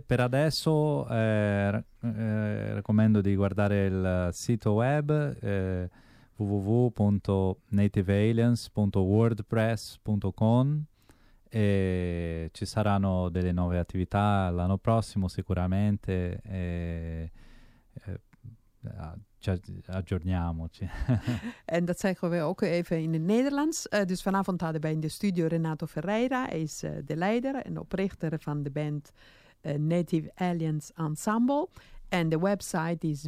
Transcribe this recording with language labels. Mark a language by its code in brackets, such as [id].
[it] Per adesso raccomando di guardare il sito web www.nativealiens.wordpress.com e ci saranno delle nuove attività l'anno prossimo sicuramente. Aggiorniamoci. [nl] En dat zeggen we ook even in het Nederlands. Dus vanavond hadden wij in de studio Renato Ferreira. Hij is de leider en oprichter van de band [en] Native Aliens Ensemble, and the website is